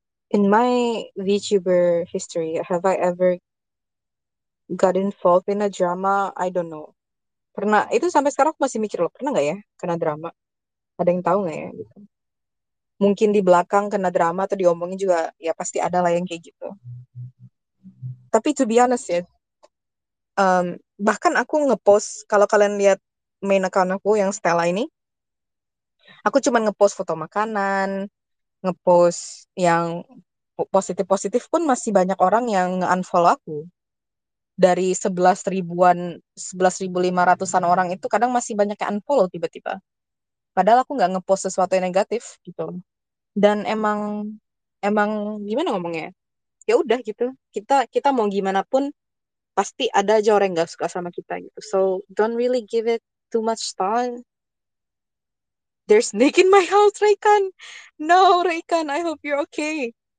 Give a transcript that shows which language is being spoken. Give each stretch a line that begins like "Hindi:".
English: In my VTuber history, have I ever got involved in a drama? I don't know.
Indonesian: Pernah, itu sampai sekarang aku masih mikir loh, pernah nggak ya kena drama? Ada yang tahu nggak ya? Gitu. Mungkin di belakang kena drama atau diomongin juga, ya pasti ada lah yang kayak gitu. Tapi
English: to be honest
Indonesian: ya, bahkan aku ngepost, kalau kalian lihat main account aku yang Stella ini, aku cuma ngepost foto makanan, ngepost yang positif-positif pun masih banyak orang yang nge-unfollow aku. Dari 11 ribuan, 11.500-an orang itu kadang masih banyak yang unfollow tiba-tiba. Padahal aku nggak ngepost sesuatu yang negatif gitu. Dan emang emang gimana ngomongnya? Ya udah gitu. Kita kita mau gimana pun pasti ada aja orang yang gak suka sama kita gitu.
English: So don't really give it too much thought. There's snake in my house, Raikan. No, Raikan, I hope you're okay.